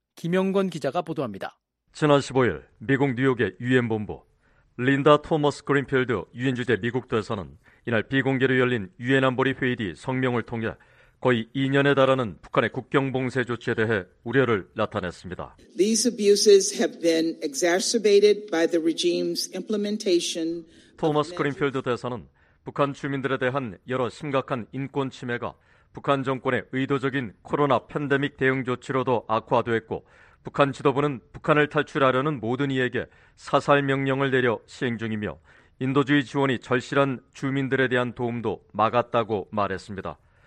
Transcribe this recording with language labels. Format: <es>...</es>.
<ko>김영건 기자가 보도합니다. 지난 15일 미국 뉴욕의 유엔본부, 린다 토머스 그린필드 유엔주재 미국대사는 이날 비공개로 열린 유엔안보리 회의 뒤 성명을 통해 거의 2년에 달하는 북한의 국경 봉쇄 조치에 대해 우려를 나타냈습니다.</ko> <en>These abuses have been exacerbated by the regime's implementation.</en> <ko>토머스 그린필드 대사는 북한 주민들에 대한 여러 심각한 인권 침해가 북한 정권의 의도적인 코로나 팬데믹 대응 조치로도 악화됐고 북한 지도부는 북한을 탈출하려는 모든 이에게 사살 명령을 내려 시행 중이며 인도주의 지원이 절실한 주민들에 대한 도움도 막았다고 말했습니다.</ko>